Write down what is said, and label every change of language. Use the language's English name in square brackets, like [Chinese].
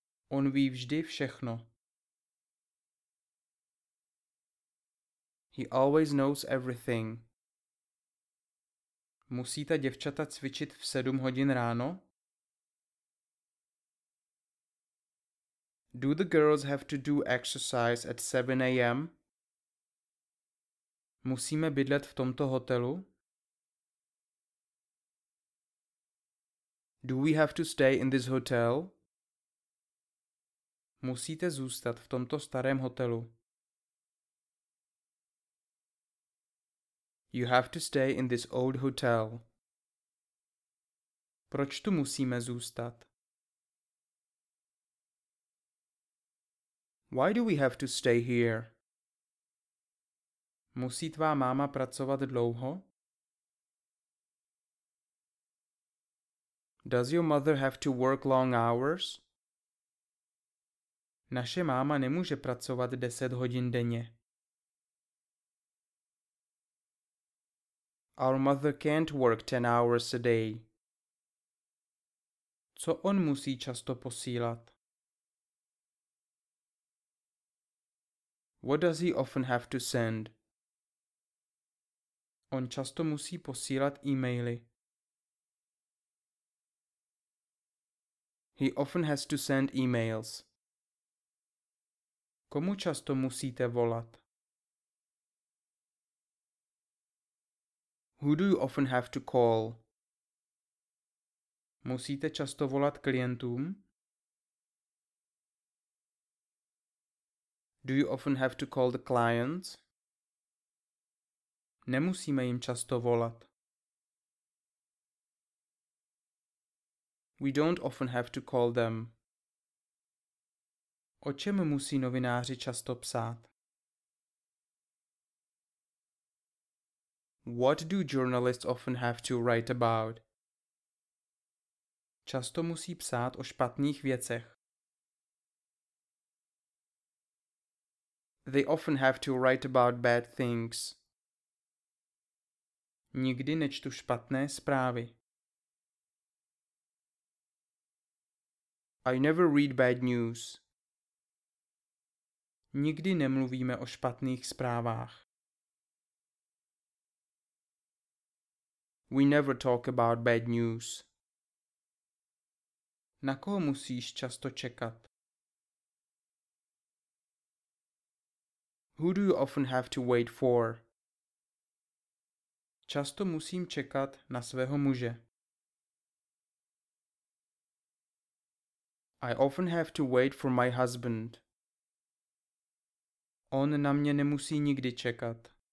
[Czech] On ví vždy všechno. [English] He always knows everything. [Czech] Musí ta děvčata cvičit v 7 hodin ráno? [English] Do the girls have to do exercise at 7 a.m.? [Czech] Musíme bydlet v tomto hotelu? [English] Do we have to stay in this hotel? [Czech] Musíte zůstat v tomto starém hotelu. [English] You have to stay in this old hotel. [Czech] Proč tu musíme zůstat? [English] Why do we have to stay here? [Czech] Musí tvá máma pracovat dlouho? [English] Does your mother have to work long hours? [Czech] Naše máma nemůže pracovat 10 hodin denně. [English] Our mother can't work 10 hours a day. [Czech] Co on musí často posílat? [English] What does he often have to send? [Czech] On často musí posílat e-maily. [English] He often has to send emails. [Czech] Komu často musíte volat? [English] Who do you often have to call? [Czech] Musíte často volat klientům? [English] Do you often have to call the clients? [Czech] Nemusíme jim často volat. [English] We don't often have to call them. [Czech] O čem musí novináři často psát? [English] What do journalists often have to write about? [Czech] Často musí psát o špatných věcech. [English] They often have to write about bad things. [Czech] Nikdy nečtu špatné zprávy. [English] I never read bad news. [Czech] Nikdy nemluvíme o špatných zprávách. [English] We never talk about bad news. [Czech] Na koho musíš často čekat? [English] Who do you often have to wait for? [Czech] Často musím čekat na svého muže. [English] I often have to wait for my husband. [Czech] On na mě nemusí nikdy čekat.